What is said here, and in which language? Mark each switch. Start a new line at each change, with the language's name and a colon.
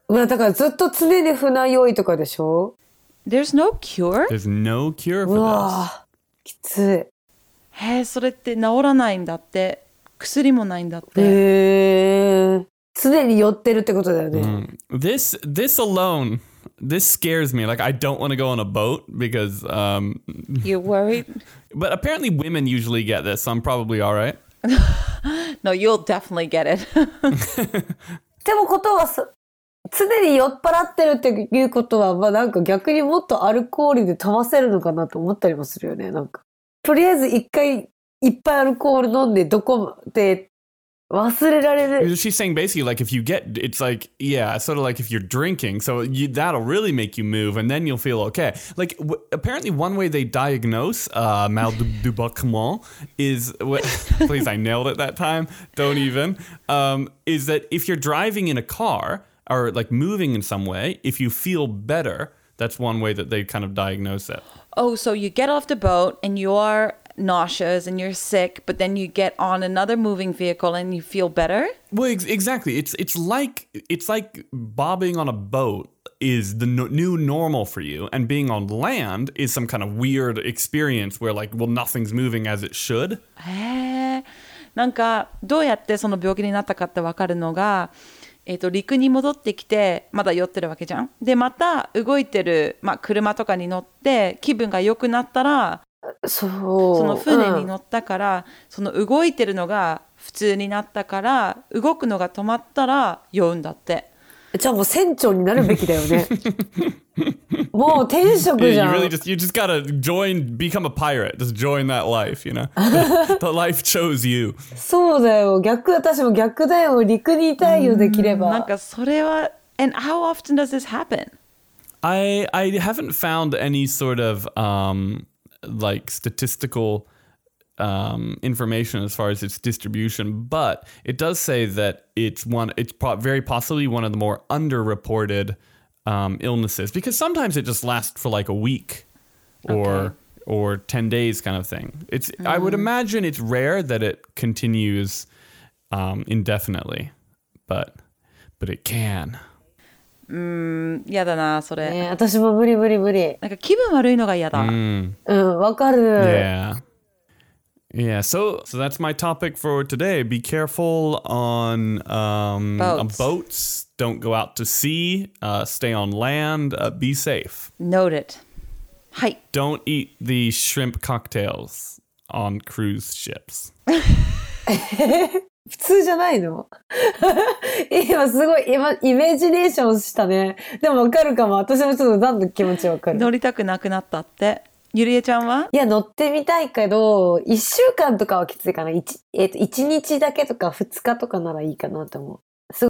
Japanese: まあ、だからずっと常に船酔いとかでしょ?
English: There's no cure? There's no cure for this.
Japanese: きつい。へえ、それって治らないんだって。薬もないんだって。へえ。常に酔ってるってことだよね。
English: This alone... This scares me. Like, I don't want to go on a boat because... You're worried? But apparently women usually get this, so I'm probably all right. No, you'll definitely get it.
Japanese: でもことは、常に酔っ払ってるっていうことは、まあなんか逆にもっとアルコールで飛ばせるのかなと思ったりもするよね。なんか、とりあえず一回いっぱいアルコール飲んで、どこで
English: She's saying basically like if you get, it's like, yeah, sort of like if you're drinking, so you, that'll really make you move and then you'll feel okay. Like apparently one way they diagnose mal de débarquement is, please I nailed it that time, don't even, is that if you're driving in a car or like moving in some way, if you feel better, that's one way that they kind of diagnose it. Oh, so you get off the boat and you are... nauseous and you're sick but then you get on another moving vehicle and you feel better? Well, exactly. It's like bobbing on a boat is the new normal for you and being on land is some kind of weird experience where like, well, nothing's moving as it should.
Japanese: へー。なんかどうやってその病気になったかってわかるのが、陸に戻ってきてまだ酔ってるわけじゃん。で、また動いてる、まあ、車とかに乗って気分が良くなったらその船に乗ったから、うん、その動いてるのが普通になったから動くのが止まったら酔うんだってじゃあもう船長になるべきだよねもう天職じゃん
English: yeah, you just gotta join, become a pirate just join that life, you know the life chose you
Japanese: そうだよ逆私も逆だよ陸にいたいよできればなんかそれは
English: and how often does this happen? I haven't found any sort of like statistical information as far as its distribution, but it does say that it's very possibly one of the more underreported illnesses because sometimes it just lasts for like a week or okay. or 10 days kind of thing. It's I would imagine it's rare that it continues indefinitely, but it can.
Japanese: 嫌だなそれ、私も無理無理無理なんか気分悪いのが嫌だ、わかる
English: Yeah, so that's my topic for today. Be careful on boats. Don't go out to sea. Stay on land. Be safe. Noted. はい Don't eat the shrimp cocktails on cruise ships.
Japanese: 普通じゃないの今すごい今イメージネーションしたね。でもわかるかも。私もちょっと何の気持ちわかる。乗りたくなくなったって。ゆりえちゃんは？いや乗ってみたいけど、一週間とかはきついかな。一日だけとか二日とかならいいかなと思う。